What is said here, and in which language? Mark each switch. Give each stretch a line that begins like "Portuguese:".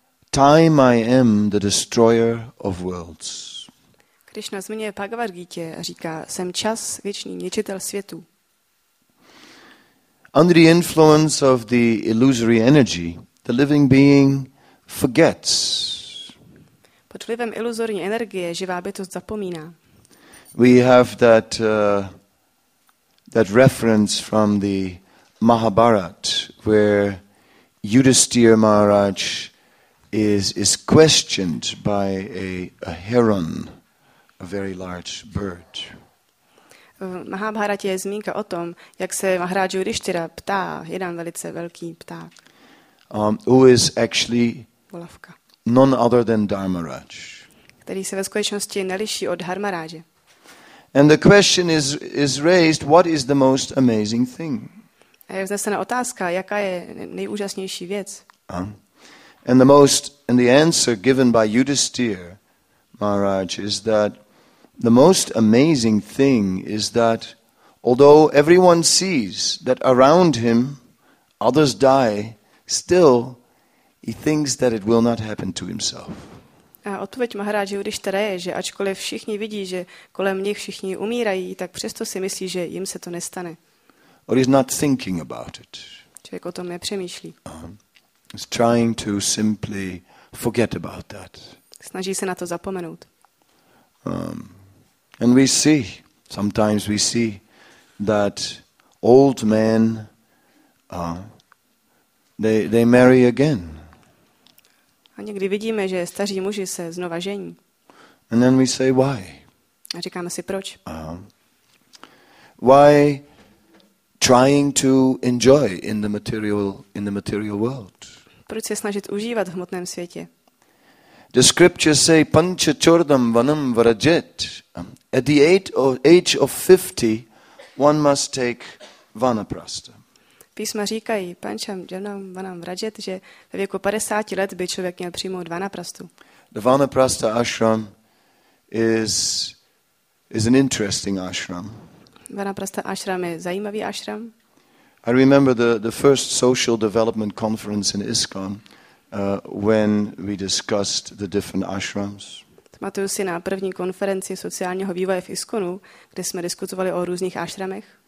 English: Time I am the destroyer of worlds.
Czech: Krishna zmiňuje Bhagavad Gita a říká, jsem čas, věčný ničitel světu.
English: Under the influence of the illusory energy, the living being forgets.
Czech: Pod vlivem iluzorní energie živá bytost zapomíná.
English: We have that that reference from the Mahabharat where Yudhisthira Maharaj is questioned by a heron, a very large bird.
Czech: V Mahabharatě je zmínka o tom, jak se Maharaj Yudhisthira ptá jeden velice velký pták.
English: Who is actually
Czech: volavka.
English: None other than Dharmaraj.
Czech: Který se ve skutečnosti neliší od Dharmaráže.
English: And the question is raised, what is the most amazing thing?
Czech: A je vznesena otázka, jaká je nejúžasnější věc?
English: And the answer given by Yudhisthira Maharaj is that the most amazing thing is that although everyone sees that around him others die, still he thinks that it will not happen to himself.
Czech: A odpověď Maharaj Yudhisthira je, že ačkoliv všichni vidí, že kolem nich všichni umírají, tak přesto si myslí, že jim se to nestane.
English: Or is not thinking about it.
Czech: Člověk o tom nepřemýšlí.
English: Is trying to simply forget about that.
Czech: Snaží se na to zapomenout.
English: And we see, sometimes we see that old men they marry again.
Czech: A někdy vidíme, že staří muži se znova žení.
English: And then we say why?
Czech: A říkáme si proč?
English: Why trying to enjoy in the material world?
Czech: Proč se snažit užívat v hmotném světě?
English: The scriptures say
Sanskrit: pancha chordam vanam vrajet.
English: At the age of 50 one must take vanaprastha.
Czech: Písma říkají
Sanskrit: pancham janam vanam vrajet,
Czech: že ve věku 50 let by člověk měl přijmout vanaprastu.
English: The vanaprastha ashram is an interesting ashram.
Czech: Vanaprastha ashram je zajímavý ashram.
English: I remember the first social development conference in ISKCON when we discussed the different ashrams.
Czech: Pamatuju si na první konferenci sociálního vývoje v ISKCONu, kde jsme diskutovali o různých ashramech.